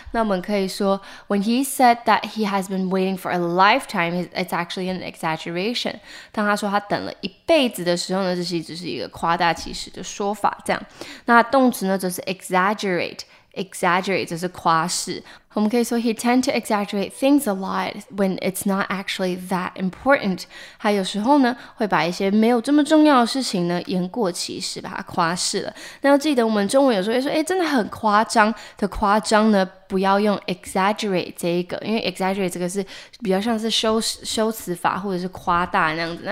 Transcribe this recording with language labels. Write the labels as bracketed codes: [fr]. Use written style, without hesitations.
[zh] 那我们可以说 [en] when he said that he has been waiting for a lifetime, it's actually an exaggeration. [zh] 当他说他等了一辈子的时候呢，这其实只是一个夸大其实的说法这样。那动词呢则是 exaggerate 则是夸饰。我们可以说 [en] he tend to exaggerate things a lot when it's not actually that important. [zh] 他有时候呢会把一些没有这么重要的事情呢言过其实，把它夸饰了。那要记得我们中文有时候会说，哎，真的很夸张的夸张呢，不要用 exaggerate 这一个，因为 exaggerate 这个是比较像是修辞法或者是夸大那样子。